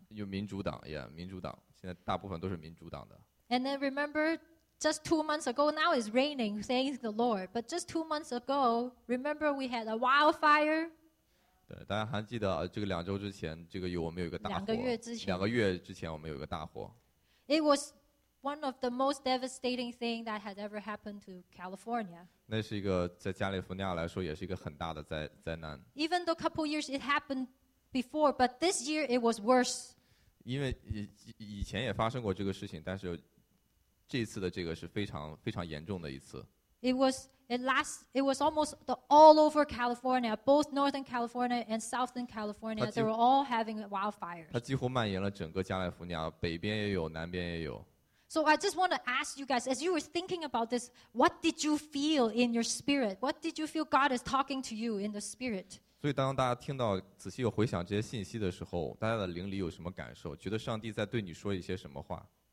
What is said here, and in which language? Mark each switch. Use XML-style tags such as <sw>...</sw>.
<zh>有民主党 ，Yeah, 民主党现在大部分都是民主党的。</zh> <en>And then remember, just 2 months ago, now it's raining, thank the Lord. But just 2 months ago, remember we had a wildfire?</en> <zh>对，大家还记得这个两周之前，这个我们有一个大火。两个月之前我们有一个大火。</zh> <en>It was one of the most devastating things that had ever happened to California.</en> <zh>那是一个在加利福尼亚来说也是一个很大的灾难。</zh> <en>Even though a couple years it happened before, but this year it was worse.</en> <zh>因为以前也发生过这个事情，但是这次的这个是非常非常严重的一次。</zh> <en>It was almost the all over California, both Northern California and Southern California, they were all having wildfires.</en> <zh>它几乎蔓延了整个加利福尼亚，北边也有，南边也有。</zh> <en>So I just want to ask you guys, as you were thinking about this, what did you feel in your spirit? What did you feel God is talking to you in the spirit?</en> <zh>所以当大家听到仔细又回想这些信息的时候大家的灵里有什么感受觉得上帝在对你说一些什么话</zh>